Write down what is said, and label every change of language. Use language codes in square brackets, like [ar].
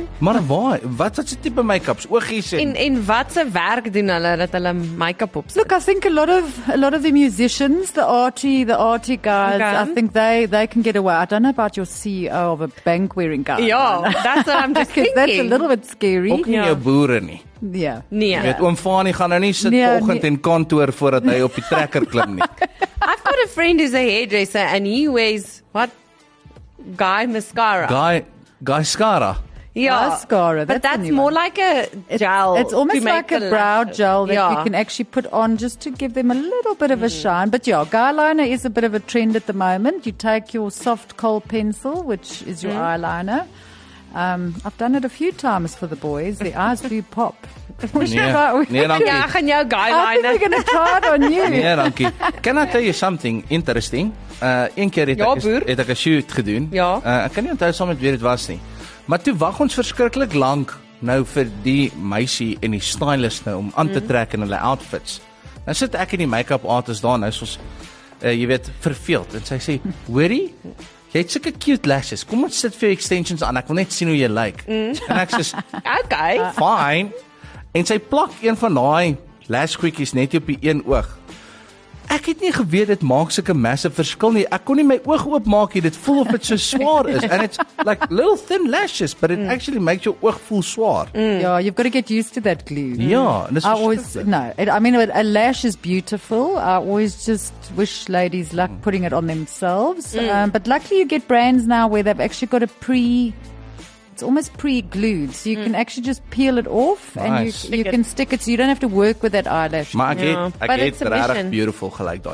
[af] Maar waar? Wat is die tipe make-ups? Oogies en... En wat se werk doen hulle dat hulle make-up opsit? [en] Look, I think a lot of the musicians, the arty guys, okay. I think they can get away. I don't know about your CEO of a bank wearing guy. Ja, that's what I'm just thinking. That's a little bit scary. [af] Ook nie jou boere nie. Ja. Nee. Jy weet, oom Fanny gaan nou nie sit volgend in kantoor voordat hy op die trekker klim nie. [en] I've got a friend who's a hairdresser and he wears, what? Guy mascara. Guy Scara. Yeah. Mascara, but that's more like a gel. It's almost like a brow gel that you can actually put on just to give them a little bit of a shine. But yeah, guy liner is a bit of a trend at the moment. You take your soft coal pencil, which is your eyeliner. I've done it a few times for the boys. The eyes do pop. [af] Nee, [en] I think they're going to try it on you. [af] Nee, dankie. [en] Can I tell you something interesting? [af] Een keer het ek 'n shoot gedoen. Ja. Ek kan nie onthou saam met wie dit was nie. Maar toe wag ons verskriklik lank nou vir die meisie en die stylist nou om aan te trek in hulle outfits. Nou sit ek in die make-up artist daar nou, soos, jy weet, verveeld. En sy sê, hoorie, jy het sulke cute lashes. Kom ons sit vir jou extensions aan. Ek wil net sien hoe jy lyk. Mm. En ek sê, [en] okay. Fine. [af] En sy plak een van daai lash quickies net op die een oog. Ek het nie geweet dit maak sulke massive verskil nie. Ek kon nie my oog oopmaak nie. Dit voel of dit so swaar is. [en] And it's like little thin lashes, but it actually makes your [af] oog voel swaar. Mm. [en] Yeah, you've got to get used to that glue. Yeah. A lash is beautiful. I always just wish ladies luck putting it on themselves. Mm. But luckily you get brands now where they've actually got a pre... It's almost pre-glued, so you can actually just peel it off, nice. And you can stick it, so you don't have to work with that eyelash. [af] Maar ek het, rarig beautiful gelijk daar.